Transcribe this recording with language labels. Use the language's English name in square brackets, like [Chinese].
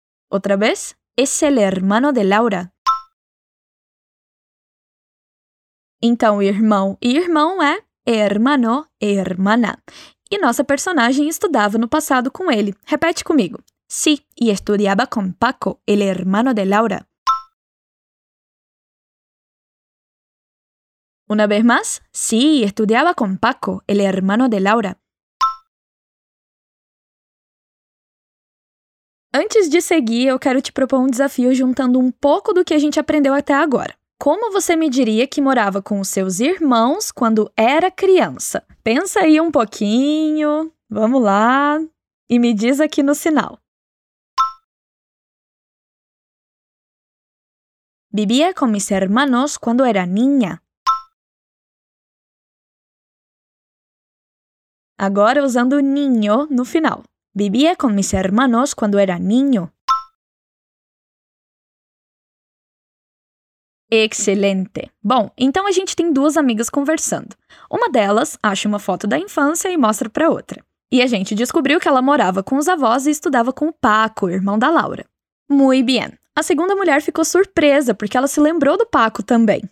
[Portuguese] Outra vez. [Spanish] Es el hermano de Laura. [Portuguese] Então, irmão e irmão é hermano e hermana. E nossa personagem estudava no passado com ele. Repete comigo. [Spanish] Sí, y estudiaba con Paco, el hermano de Laura. Una vez más. Sí, estudiaba con Paco, el hermano de Laura. [Portuguese] Antes de seguir, eu quero te propor um desafio juntando um pouco do que a gente aprendeu até agora. Como você me diria que morava com os seus irmãos quando era criança? Pensa aí um pouquinho. Vamos lá. E me diz aqui no sinal. [Spanish] Vivía con mis hermanos cuando era niña. [Portuguese] Agora usando niño no final. [Spanish] Vivía con mis hermanos cuando era niño. [Portuguese] Excelente! Bom, então a gente tem duas amigas conversando. Uma delas acha uma foto da infância e mostra para outra. E a gente descobriu que ela morava com os avós e estudava com o Paco, irmão da Laura. [Spanish] Muy bien! [Portuguese] A segunda mulher ficou surpresa, porque ela se lembrou do Paco também.